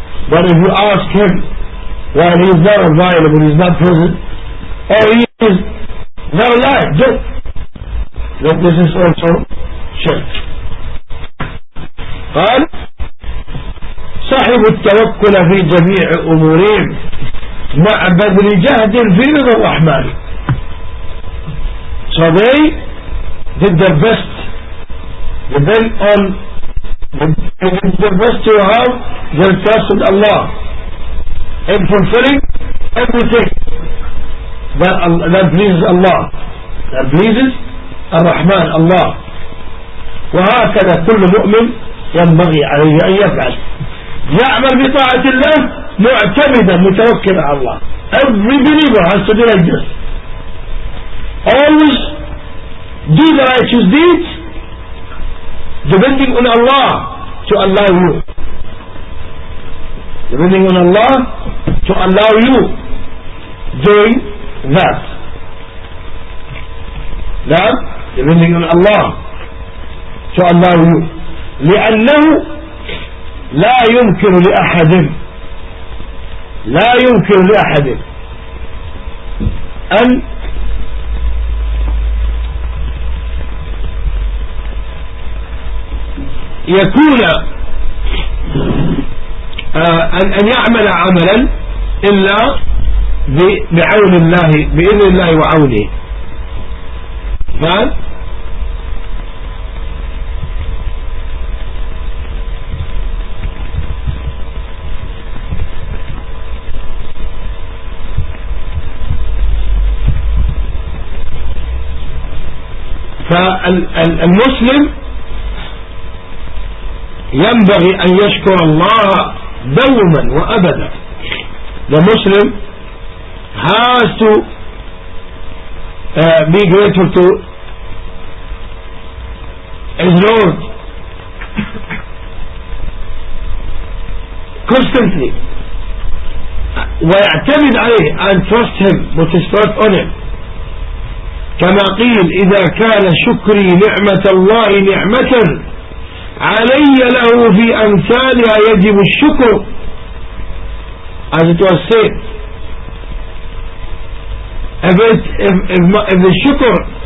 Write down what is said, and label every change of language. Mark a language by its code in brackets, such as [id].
[en] But if you ask him while he's not available, he's not present, or he is not alive, then this is also shirk. [ar] قال صاحب التوكل في جميع أمورهم مع بذل جهد في رضا الرحمن. [en] So they did their best, depend on, they did their best to have their trust in Allah in fulfilling everything that pleases Allah, that pleases الرحمن Allah. [ar] وهكذا كل مؤمن ينبغي عليه أن يفعل يعمل بطاعة الله معتمدا متوكلا على الله. [en] Every believer has to be like this. Always do the righteous deeds depending on Allah to allow you. Depending on Allah to allow you doing that. That depending on Allah to allow you. [ar] لأنه لا يمكن لأحد لا يمكن لأحد أن يكون أن يعمل عملا إلا بعون الله بإذن الله وعونه. فهم؟ فالمسلم ينبغي أن يشكر الله دوما وأبدا. [en] The Muslim has to be grateful to his Lord constantly [ar] ويعتمد عليه [en] and trust him, put his trust on him. [ar] كما قيل إذا كان شكري نعمة الله نعمة علي له في أمثالها يجب الشكر. [en] As it was said, if the shukr